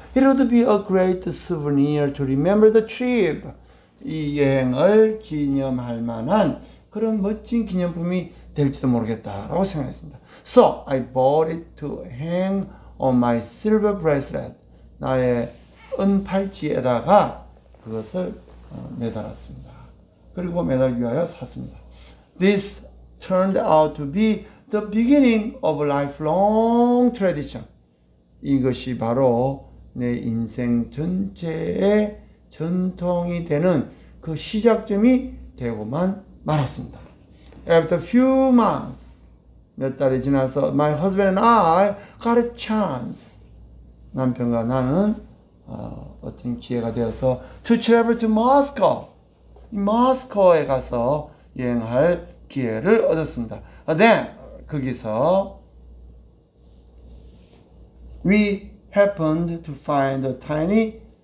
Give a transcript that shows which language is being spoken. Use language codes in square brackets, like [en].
[en] It would be a great souvenir to remember the trip. [ko] 이 여행을 기념할 만한 그런 멋진 기념품이 될지도 모르겠다라고 생각했습니다. [en] So I bought it to hang on my silver bracelet. [ko] 나의 은팔찌에다가 그것을 매달았습니다. 그리고 매달기 위하여 샀습니다. [en] This turned out to be the beginning of a lifelong tradition. [ko] 이것이 바로 내 인생 전체의 전통이 되는 그 시작점이 되고만 말았습니다. [en] After a few months, [ko] 몇 달이 지나서 [en] my husband and I got a chance. [ko] 남편과 나는 어떤 기회가 되어서 [en] to travel to Moscow. [ko] 이 모스크바에 가서 여행할 기회를 얻었습니다. [en] Then [ko] 거기서 [en] we happened to find a tiny